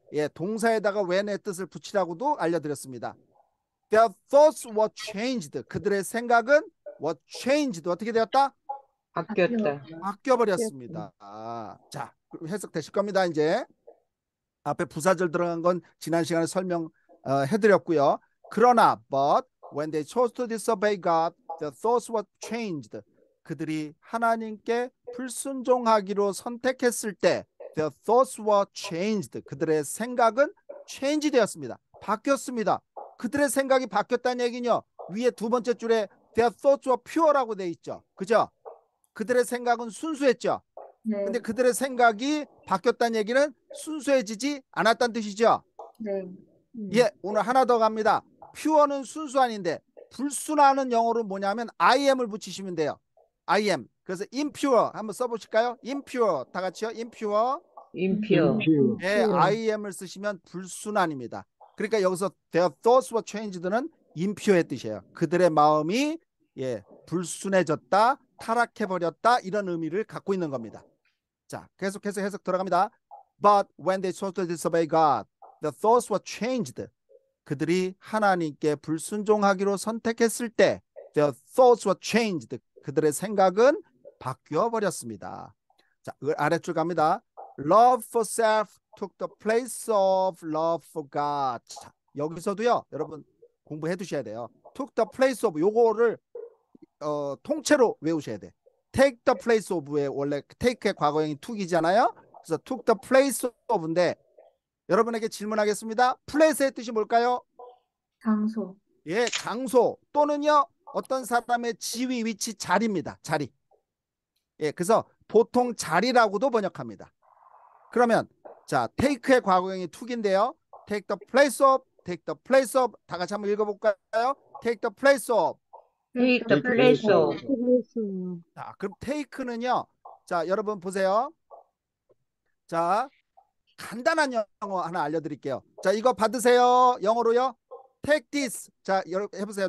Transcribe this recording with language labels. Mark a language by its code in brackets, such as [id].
[ko] 예, 동사에다가 when의 뜻을 붙이라고도 알려드렸습니다. [en] Their thoughts were changed. [ko] 그들의 생각은 [en] were changed. [ko] 어떻게 되었다? 바뀌었다. 바뀌어버렸습니다. 아, 자, 해석되실 겁니다. 이제 앞에 부사절 들어간 건 지난 시간에 설명해드렸고요. 그러나, [en] but when they chose to disobey God, their thoughts were changed. [ko] 그들이 하나님께 불순종하기로 선택했을 때 [en] their thoughts were changed. [ko] 그들의 생각은 change 되었습니다. 바뀌었습니다. 그들의 생각이 바뀌었다는 얘기는요. 위에 두 번째 줄에 [en] their thoughts were pure [ko] 라고 돼 있죠. 그죠? 그들의 생각은 순수했죠. 네. 근데 그들의 생각이 바뀌었다는 얘기는 순수해지지 않았다는 뜻이죠. 예, 오늘 하나 더 갑니다. 퓨어는 순수한인데 불순한은 영어로 뭐냐면 I am을 붙이시면 돼요. [en] I am. [ko] 그래서 impure 한번 써보실까요? impure 다 같이요. impure. [en] 인퓨어. [ko] 예, I am을 쓰시면 불순한입니다. 그러니까 여기서 [en] their thoughts were changed [ko] 는 impure의 뜻이에요. 그들의 마음이 예, 불순해졌다, 타락해버렸다, 이런 의미를 갖고 있는 겁니다. 자, 계속해서 해석 들어갑니다. [en] But when they chose to disobey God, the thoughts were changed. [ko] 그들이 하나님께 불순종하기로 선택했을 때, [en] their thoughts were changed. [ko] 그들의 생각은 바뀌어 버렸습니다. 자, 아랫줄 갑니다. [en] Love for self took the place of love for God. [ko] 자, 여기서도요, 여러분 공부해 두셔야 돼요. [en] Took the place of, [ko] 요거를 통째로 외우셔야 돼. [en] Take the place of의 원래 take의 과거형이 took이잖아요. 그래서 took the place of인데 [ko] 여러분에게 질문하겠습니다. place의 뜻이 뭘까요? 장소. 예, 장소 또는요 어떤 사람의 지위, 위치, 자리입니다. 자리. 예, 그래서 보통 자리라고도 번역합니다. 그러면 자, take의 과거형이 took인데요. [en] Take the place of, take the place of. [ko] 다 같이 한번 읽어볼까요? [en] Take the place of. Take the [ko] 그렇죠. [en] place of. [ko] 자, 그럼 take는요. 자, 여러분 보세요. 자, 간단한 영어 하나 알려드릴게요. 자, 이거 받으세요. 영어로요. [en] Take this. [ko] 자, 여러분 해보세요.